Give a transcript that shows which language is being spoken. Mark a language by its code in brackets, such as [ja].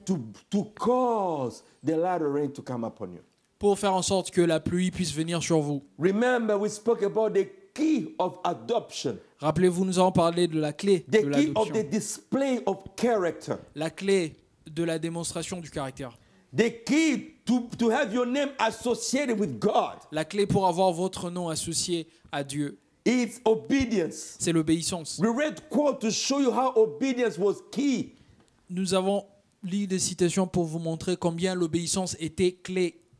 [en] To cause the latter rain to come upon you. [fr] Pour faire en sorte que la pluie puisse venir sur vous. [en] Remember, we spoke about the key of adoption. [fr] Rappelez-vous, nous avons parlé de la clé [en] the [fr] de l'adoption. [en] The key of the display of character. [fr] La clé de la démonstration du caractère. [en] The key to have your name associated with God. [fr] La clé pour avoir votre nom associé à Dieu. [en] It's obedience. [fr] C'est l'obéissance. [en] We read quote to show you how obedience was key. [fr] Nous avons lu des citations pour vous montrer combien l'obéissance était clé.